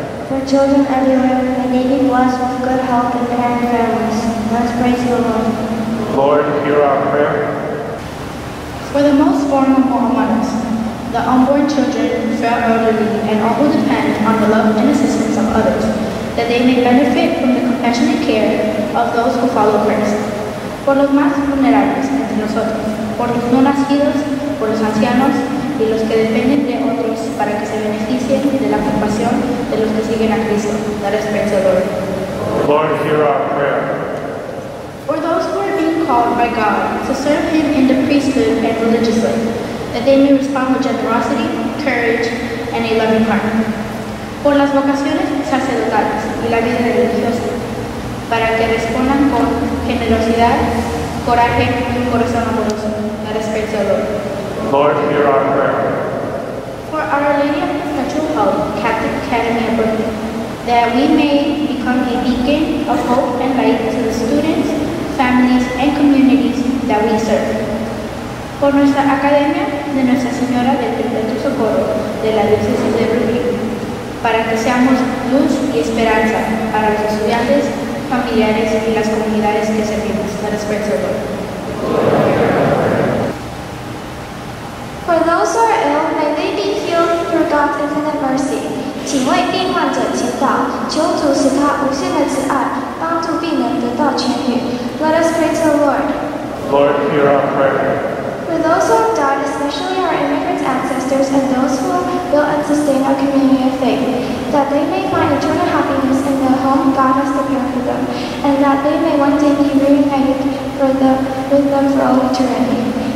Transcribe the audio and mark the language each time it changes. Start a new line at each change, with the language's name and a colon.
English: For children everywhere, may they be blessed with good health and kind families, let us pray to the Lord. Lord, hear our prayer. For the most vulnerable among us, the unborn children, frail elderly, and all who depend on the love and assistance of others, that they may benefit from the compassionate care of those who follow Christ.
Spanish: Por los más vulnerables entre nosotros, por los no nacidos, por los ancianos y los que dependen de otros para que se beneficien de la compasión de los que siguen a Cristo. Dar respeto al Lord.
English: Lord, hear our prayer. For those who are being called by God to serve Him in the priesthood and religiously, that they may respond with generosity, courage, and a loving heart.
Spanish: Por las vocaciones sacerdotales y la vida religiosa, para que respondan con generosidad, coraje y un corazón amoroso. Dar respeto al Lord.
English: Lord, hear our prayer. For Our Lady of Perpetual Hope, Catholic Academy of Berkeley, that we may become a beacon of hope and light to the students, families, and communities that we serve.
Spanish: Por nuestra Academia de Nuestra Señora del Perpetuo Socorro de la Diócesis de Berkeley, para que seamos luz y esperanza para los estudiantes, familiares y las comunidades que servimos.
English: Let us pray to the Lord. those who are ill, may they be healed through God's infinite mercy.
Chinese: 请为病患者祈祷，求主赐他无限的慈爱，帮助病人得到痊愈。
English: Let us pray to the Lord. Lord, hear our prayer. For those who have died, especially our immigrant ancestors and those who will build and sustain our community of faith, that they may find eternal happiness in the home God has prepared for them, and that they may one day be reunited with them for all eternity.